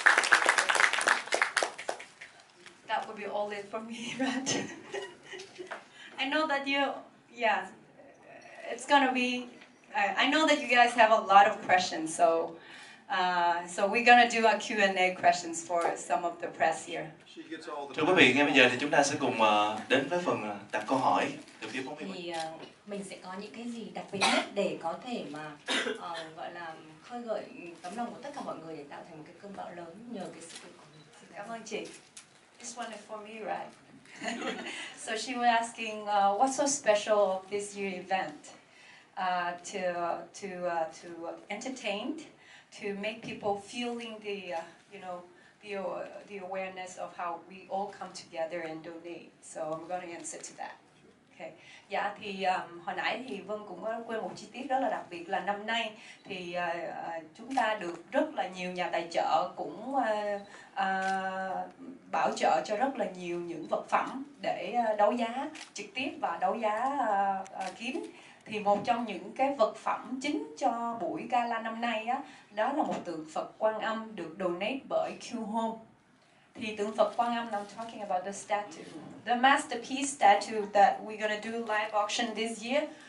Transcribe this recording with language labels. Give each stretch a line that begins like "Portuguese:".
English: That would be all it for me, right? I know that it's gonna be, I know that you guys have a lot of questions, so we're gonna do a Q&A questions for some of the press here.
Vietnamese: Thưa quý vị, ngay bây giờ thì chúng ta sẽ cùng đến với phần đặt câu hỏi từ phía phóng viên. Thì mình sẽ có những cái gì đặc biệt nhất để có thể mà gọi là khơi gợi tấm lòng của tất cả mọi người để tạo thành một cái cơn bão lớn nhờ cái sự kiện của mình. Cảm ơn chị.
English: This one is for me, right? So she was asking, what's so special of this year event? To entertain, to make people feeling the the awareness of how we all come together and donate. So I'm going to answer to that. Okay.
Vietnamese: Dạ thì hồi nãy thì Vân cũng quên một chi tiết, đó là đặc biệt là năm nay thì chúng ta được rất là nhiều nhà tài trợ cũng bảo trợ cho rất là nhiều những vật phẩm để đấu giá trực tiếp và đấu giá kín. Thì một trong những cái vật phẩm chính cho buổi gala năm nay á, đó là một tượng Phật Quan Âm được donate bởi Q Home. Thì tượng Phật Quan Âm,
English: I'm talking about the statue, the masterpiece statue that we're gonna do live auction this year.